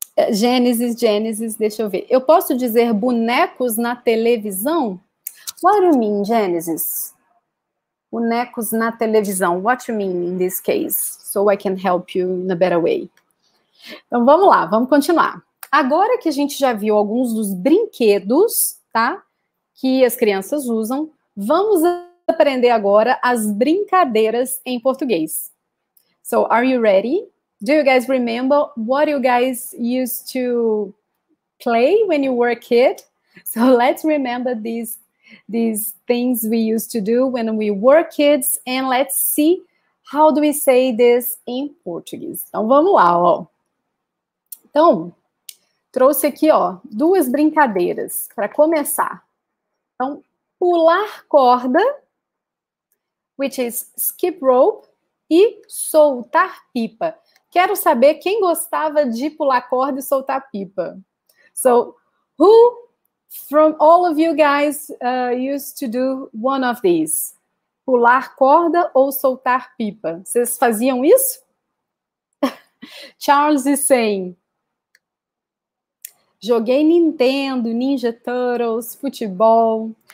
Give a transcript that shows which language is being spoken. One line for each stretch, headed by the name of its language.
Portuguese: Gênesis, Gênesis, deixa eu ver. Eu posso dizer bonecos na televisão?
English: What do you mean, Gênesis?
Portuguese: Bonecos na televisão.
English: What do you mean in this case? So I can help you in a better way.
Portuguese: Então vamos lá, vamos continuar. Agora que a gente já viu alguns dos brinquedos, tá? Que as crianças usam, vamos aprender agora as brincadeiras em português.
English: So, are you ready? Do you guys remember what you guys used to play when you were a kid? So let's remember these things we used to do when we were kids, and let's see how do we say this in Portuguese.
Portuguese: Então vamos lá, ó. Então, trouxe aqui, ó, duas brincadeiras para começar. Então, pular corda,
English: which is skip rope,
Portuguese: e soltar pipa. Quero saber quem gostava de pular corda e soltar pipa.
English: So, who from all of you guys used to do one of these?
Portuguese: Pular corda ou soltar pipa? Vocês faziam isso?
English: Charles is saying.
Portuguese: Joguei Nintendo, Ninja Turtles, futebol.